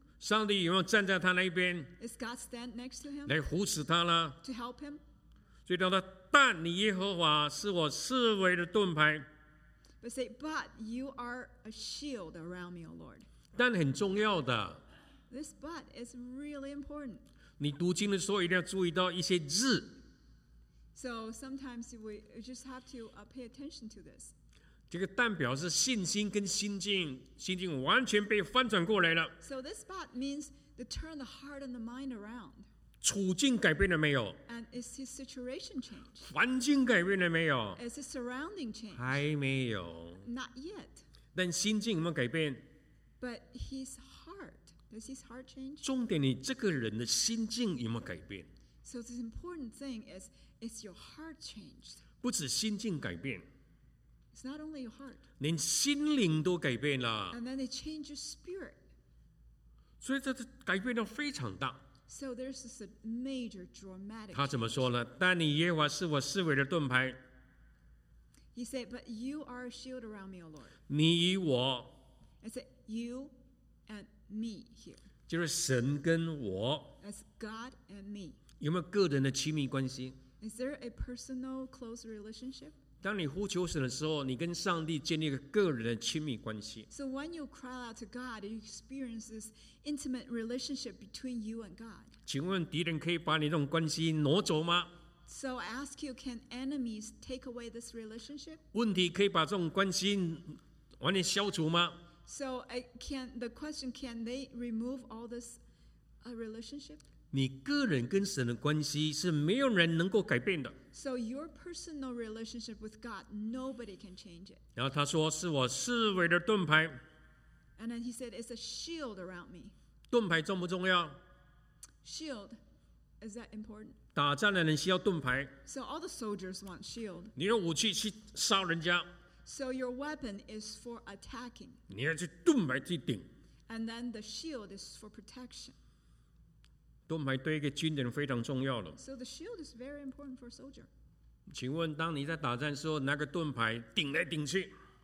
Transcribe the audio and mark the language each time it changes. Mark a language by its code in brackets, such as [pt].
[zh] 上帝有没有站在他那边？ [en] Is God stand next to him? [zh] 来扶持他呢？ [en] To help him? [zh] 所以他说，但你耶和华是我四围的盾牌。 [en] But say, but you are a shield around me, O Lord. [zh] 但很重要的。 [en] This but is really important. [zh] 你读经的时候一定要注意到一些字。 [en] So sometimes we just have to pay attention to this. [zh] 这个但表示信心跟心境，心境完全被翻转过来了。 [en] So this but means to turn the heart and the mind around. [zh] 处境改变了没有？ [en] And is his situation changed? [zh] 环境改变了没有？ [en] Is his surrounding changed? [zh] 还没有。 [en] Not yet. [zh] 但心境有没有改变？ [en] But his heart. Does his heart change? [zh] 重点你这个人的心境有没有改变？ [en] So the important thing is your heart changed? [zh] 不止心境改变。 [en] It's not only your heart. [zh] 连心灵都改变了。 [en] And then it changes spirit. [zh] 所以这改变的非常大。 [en] So there's this major dramatic. [zh] 他怎么说呢？但你耶和华是我四围的盾牌。 [en] He said, but you are a shield around me, O Lord. [zh] 你与我。 [en] I said, you and me here. [zh] 就是神跟我。 [en] As God and me. [zh] 有没有个人的亲密关系？ [en] Is there a personal close relationship? [zh] 当你呼求神的时候，你跟上帝建立一个个人的亲密关系。 [en] So when you cry out to God, you experience this intimate relationship between you and God. [zh] 请问敌人可以把你这种关系挪走吗？ [en] So I ask you, can enemies take away this relationship? [zh] 问题可以把这种关系完全消除吗？ [en] So can the question, can they remove all this relationship? [zh] 你个人跟神的关系是没有人能够改变的。 [en] So your personal relationship with God, nobody can change it. [zh] 然后他说是我四围的盾牌。 [en] And then he said it's a shield around me. [zh] 盾牌重不重要？ [en] Shield, is that important? [zh] 打仗的人需要盾牌。 [en] So all the soldiers want shield. [zh] 你用武器去杀人家。 [en] So your weapon is for attacking. [zh] 你要去盾牌去顶。 [en] And then the shield is for protection. [zh] 盾牌对一个军人非常重要了。 [en] So the shield is very important for a soldier. [zh] 请问，当你在打战时候，那个盾牌顶来顶去。